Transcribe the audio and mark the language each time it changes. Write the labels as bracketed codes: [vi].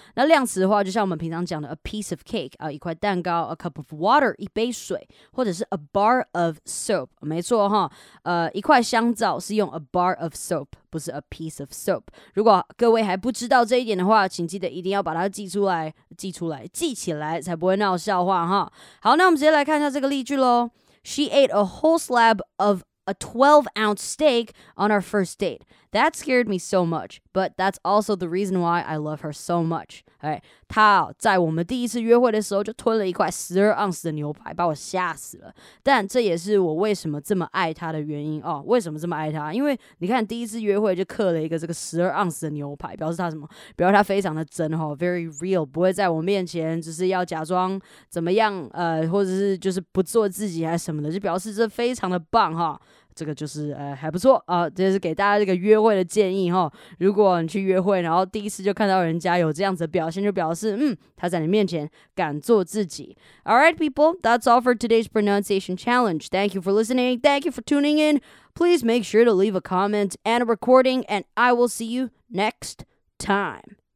[zh] 那量词的话，就像我们平常讲的 [en] a piece of cake [zh] 一块蛋糕 ， [en] a cup of water [zh] 一杯水，或者是 [en] a bar of soap， [zh] 没错哈，一块香皂是用 a bar of soap。不是 [en] a piece of soap。 [zh] 如果各位还不知道这一点的话，请记得一定要把它记出来，记出来，记起来，才不会闹笑话哈。好，那我们直接来看一下这个例句喽。 [en] She ate a whole slab of a 12-ounce steak on our first date. That scared me so much, but that's also the reason why I love her so much. [zh] 哎，她在我们第一次约会的时候就吞了一块12盎司的牛排，把我吓死了。但这也是我为什么这么爱她的原因哦。为什么这么爱她？因为你看第一次约会就刻了一个这个12盎司的牛排，表示她什么？表示她非常的真哈、哦、， [en] very real， [zh] 不会在我面前就是要假装怎么样或者是就是不做自己还是什么的，就表示这非常的棒哈、哦。这个就是还不错啊，这是给大家这个约会的建议哈。如果你去约会，然后第一次就看到人家有这样子的表现，就表示他在你面前敢做自己。 [en] All right, people, that's all for today's pronunciation challenge. Thank you for listening. Thank you for tuning in. Please make sure to leave a comment and a recording, and I will see you next time.